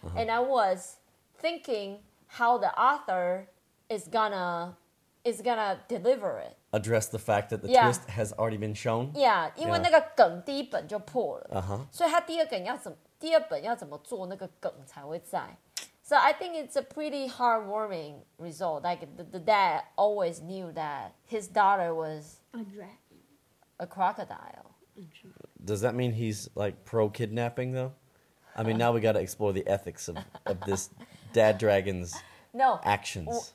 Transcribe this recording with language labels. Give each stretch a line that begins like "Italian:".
English: And I was thinking how the author is gonna deliver it. Address the fact that the twist has already been shown.
Chinese: Yeah, 因为那个梗第一本就破了，所以它第二梗要怎么，第二本要怎么做那个梗才会在。
English: So I think it's a pretty heartwarming result. Like the dad always knew that his daughter was a dragon, a crocodile. Does that mean he's like pro kidnapping though? I mean, now we got to explore the ethics of this dad dragon's actions.